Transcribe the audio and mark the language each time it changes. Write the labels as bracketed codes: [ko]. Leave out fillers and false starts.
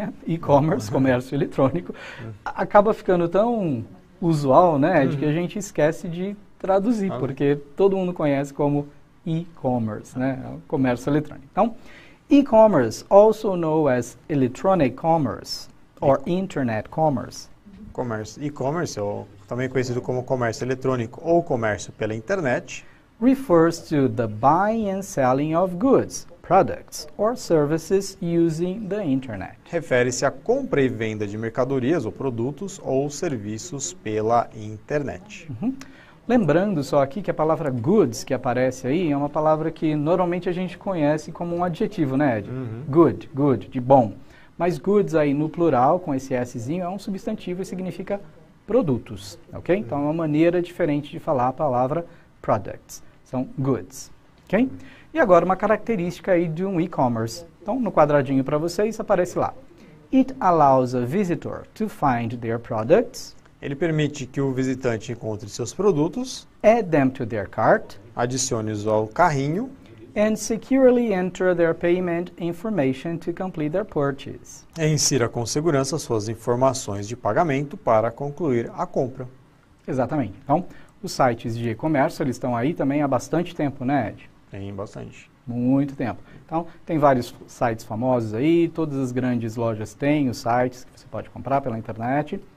[pt] E-commerce, comércio eletrônico, acaba ficando tão usual, né, de que a gente esquece de traduzir, porque todo mundo conhece como e-commerce, né, comércio eletrônico. [en] Então, e-commerce, also known as electronic commerce, or internet commerce. [pt] E-commerce, ou também conhecido como comércio eletrônico ou comércio pela internet. [en] Refers to the buying and selling of goods, products or services using the internet. [pt] Refere-se à compra e venda de mercadorias ou produtos ou serviços pela internet. Uh-huh. Lembrando só aqui que a palavra goods que aparece aí é uma palavra que normalmente a gente conhece como um adjetivo, né, Ed? Uhum. Good, good, de bom. Mas goods aí no plural, com esse Szinho, é um substantivo e significa produtos, ok? Uhum. Então é uma maneira diferente de falar a palavra products. São goods, ok? Uhum. E agora uma característica aí de um e-commerce. Então no quadradinho para vocês aparece lá. [en] It allows a visitor to find their products. [pt] Ele permite que o visitante encontre seus produtos. [en] Add them to their cart. [pt] Adicione-os ao carrinho. [en] And securely enter their payment information to complete their purchase. [pt] E insira com segurança suas informações de pagamento para concluir a compra. Exatamente. Então, os sites de e-commerce, eles estão aí também há bastante tempo, né, Ed? Tem bastante. Muito tempo. Então, tem vários sites famosos aí, todas as grandes lojas têm os sites que você pode comprar pela internet.